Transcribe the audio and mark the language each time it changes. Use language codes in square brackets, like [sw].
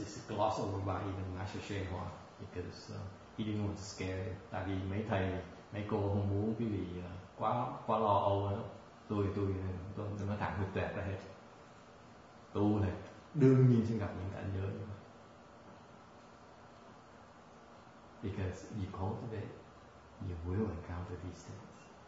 [en] It's glossed over by even Master Shen Hua because he didn't want to scare. [vi] Tại vì mấy thầy mấy cô không muốn quý vị quá lo âu nữa. Tôi nói thẳng thực tuyệt ra hết. Tu này đương nhiên sẽ gặp những cảnh giới. [en] Because you cultivate, you will encounter these things.